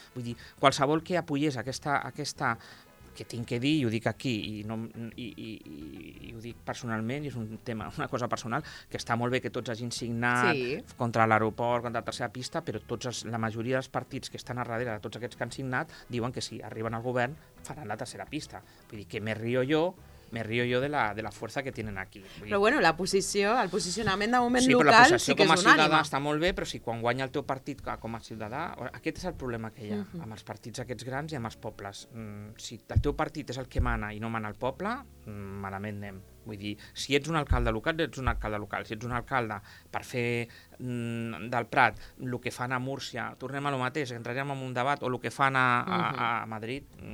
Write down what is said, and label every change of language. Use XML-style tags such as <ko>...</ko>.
<ca>Vull dir, qualsevol que apoyés aquesta que tinc que dir, i ho dic aquí, i ho dic personalment, i és un tema, una cosa personal, que està molt bé que tots hagin signat contra l'aeroport, contra la tercera pista, però la majoria dels partits que estan a darrere de tots aquests que han signat diuen que si arriben al govern faran la tercera pista. Vull dir que</ca> <es>me río yo de la fuerza que tienen aquí.</es> <ca>Però bueno, la posició, el posicionament de moment sí, local sí que és un ànima. Sí, però la posició com a ciutadà està molt bé, però si quan guanya el teu partit com a ciutadà, aquest és el problema que hi ha amb els partits aquests grans i amb els pobles. Si el teu partit és el que mana i no mana el poble, malament anem. Vull dir, si ets un alcalde local, ets un alcalde local. Si ets un alcalde per fer del Prat el que fan a Múrcia, tornem a lo mateix, entrarem en un debat, o el que fan a Madrid...</ca>